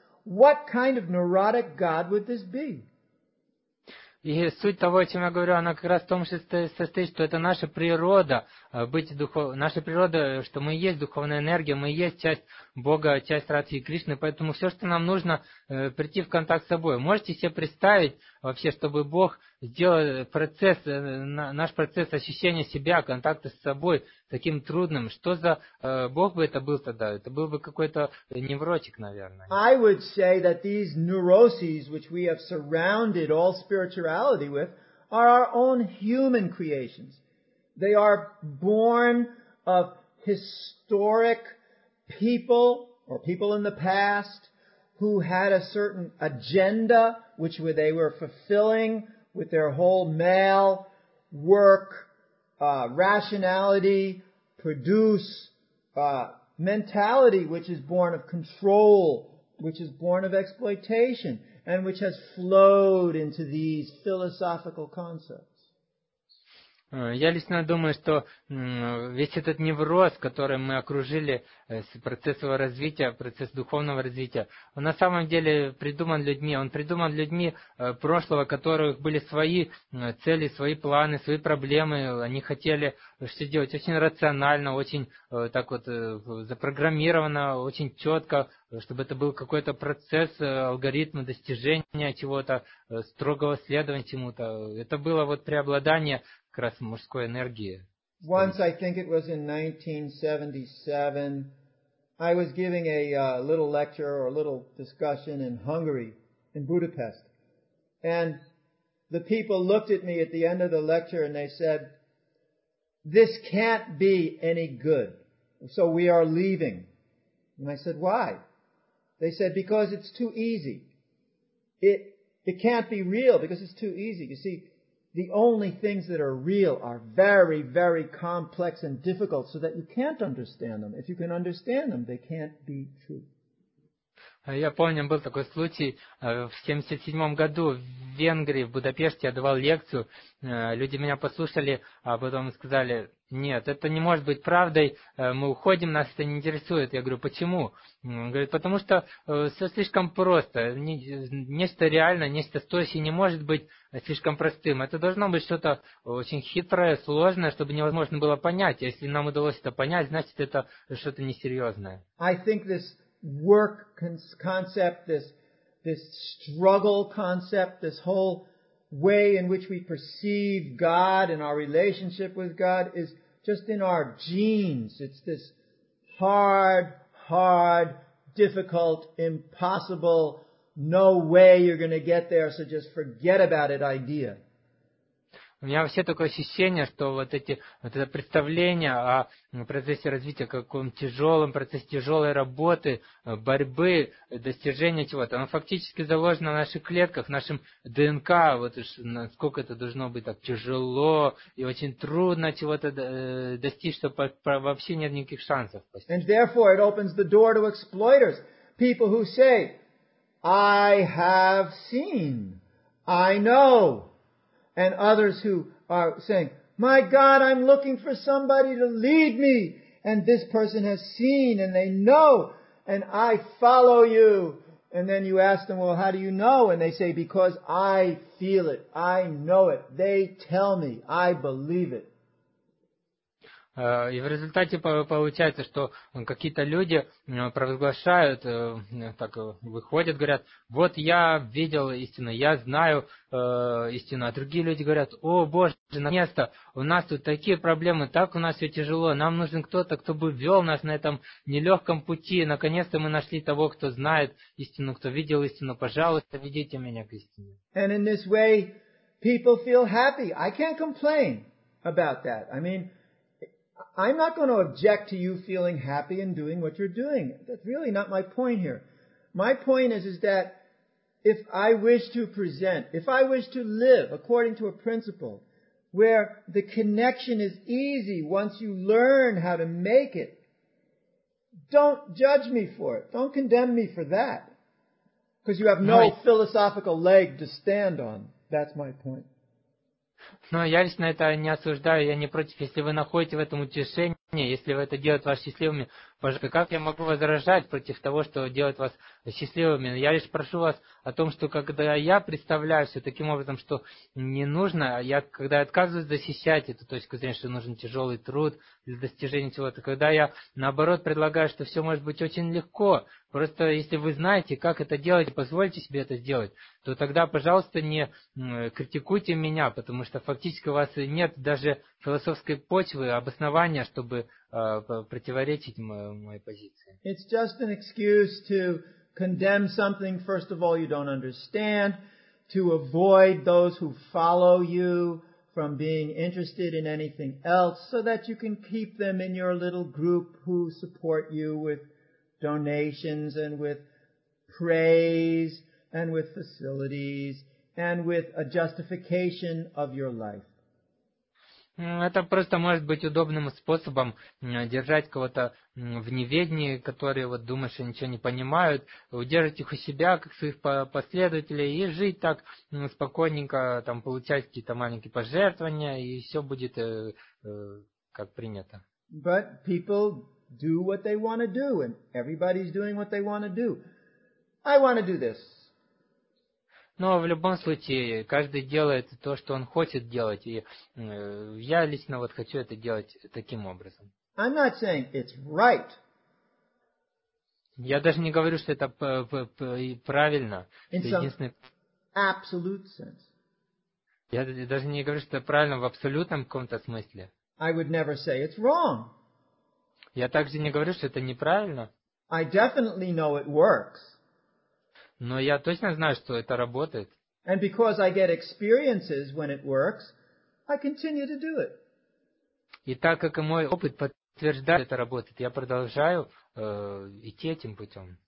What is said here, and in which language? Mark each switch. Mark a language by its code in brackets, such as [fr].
[en] What kind of neurotic God would this be? [ru] И суть того, о чем я говорю, она как раз в том, что состоит, что это наша природа, быть наша природа, что мы есть духовная энергия, мы есть часть Бога, часть Радхи и Кришны, поэтому все, что нам нужно, прийти в контакт с собой. Можете себе представить вообще, чтобы Бог сделал процесс, наш процесс ощущения себя, контакта с собой таким трудным? Что за Бог бы это был тогда? Это был бы какой-то невротик, наверное. [en] I would say that these neuroses, which we have surrounded all spirituality with, are our own human creations. They are born of historic people, or people in the past, who had a certain agenda, which they were fulfilling with their whole male work, rationality, produce, mentality, which is born of control, which is born of exploitation, and which has flowed into these philosophical concepts. [ru] Я лично думаю, что весь этот невроз, который мы окружили с процессом развития, процесс духовного развития, он на самом деле придуман людьми. Он придуман людьми прошлого, у которых были свои цели, свои планы, свои проблемы. Они хотели все делать очень рационально, очень так вот запрограммировано, очень четко, чтобы это был какой-то процесс, алгоритм достижения чего-то, строгого следования чему-то. Это было вот преобладание как раз мужской энергии. [en] Once, I think it was in 1977, I was giving a little lecture or a little discussion in Hungary, in Budapest. And the people looked at me at the end of the lecture and they said, this can't be any good, so we are leaving. And I said, why? They said, because it's too easy. It can't be real because it's too easy. You see, the only things that are real are very, very complex and difficult so that you can't understand them. If you can understand them, they can't be true. [ru] Я помню, был такой случай в 77-м году в Венгрии, в Будапеште, я давал лекцию. Люди меня послушали, а потом сказали, нет, это не может быть правдой, мы уходим, нас это не интересует. Я говорю, почему? Он говорит, потому что все слишком просто, нечто реальное, нечто стоящее не может быть слишком простым. Это должно быть что-то очень хитрое, сложное, чтобы невозможно было понять. Если нам удалось это понять, значит, это что-то несерьезное. [en] I think this work concept, this struggle concept, this whole way in which we perceive God and our relationship with God is just in our genes. It's this hard, hard, difficult, impossible, no way you're going to get there, so just forget about it idea. [ru] У меня вообще такое ощущение, что вот эти вот это представление о процессе развития, как он тяжелом процессе тяжелой работы, борьбы, достижения чего-то, оно фактически заложено в наших клетках, в нашем ДНК, вот уж насколько это должно быть так тяжело и очень трудно чего-то достичь, что вообще нет никаких шансов. [en] And therefore it opens the door to exploiters, people who say, I have seen, I know. And others who are saying, my God, I'm looking for somebody to lead me. And this person has seen and they know and I follow you. And then you ask them, well, how do you know? And they say, because I feel it. I know it. They tell me. I believe it. [ru] И в результате получается, что какие-то люди провозглашают, так выходят, говорят, вот я видел истину, я знаю истину. А другие люди говорят, о Боже, наконец-то, у нас тут такие проблемы, так у нас все тяжело, нам нужен кто-то, кто бы вел нас на этом нелегком пути. Наконец-то мы нашли того, кто знает истину, кто видел истину, пожалуйста, ведите меня к истине. [en] And in this way, people feel happy. I can't complain about that. I mean, I'm not going to object to you feeling happy and doing what you're doing. That's really not my point here. My point is that if I wish to present, if I wish to live according to a principle where the connection is easy once you learn how to make it, don't judge me for it. Don't condemn me for that. Because you have no philosophical leg to stand on. That's my point. [ru] Но я лично это не осуждаю, я не против. Если вы находите в этом утешение, если вы это делаете вас счастливыми, пожалуйста, как я могу возражать против того, что делает вас счастливыми? Я лишь прошу вас о том, что когда я представляю все таким образом, что не нужно, я когда отказываюсь защищать эту точку зрения, что нужен тяжелый труд для достижения чего-то, когда я наоборот предлагаю, что все может быть очень легко, просто если вы знаете, как это делать, позвольте себе это сделать, то тогда, пожалуйста, не критикуйте меня, потому что фактически у вас нет даже философской почвы, обоснования, чтобы противоречить моей позиции. [en] It's just an excuse to condemn something, first of all, you don't understand, to avoid those who follow you from being interested in anything else, so that you can keep them in your little group who support you with donations and with praise and with facilities and with a justification of your life. [ru] Это просто может быть удобным способом держать кого-то в неведении, которые вот думают, что ничего не понимают, удерживать их у себя, как своих последователей, и жить так спокойненько, там, получать какие-то маленькие пожертвования, и все будет как принято. [en] But people do what they want to do, and everybody's doing what they want to do. I want to do this. [ru] Но в любом случае, каждый делает то, что он хочет делать, и я лично вот хочу это делать таким образом. [en] I'm not saying it's right. [ru] Я даже не говорю, что это правильно. [en] In [ru] что единственный... [en] some absolute sense. [ru] Я даже не говорю, что это правильно в абсолютном каком-то смысле. [en] I would never say it's wrong. [ru] Я также не говорю, что это неправильно. [en] I definitely know it works. [ru] Но я точно знаю, что это работает. [en] And because I get experiences when it works, I continue to do it. [ru] И так как мой опыт подтверждает, что это работает, я продолжаю идти этим путем.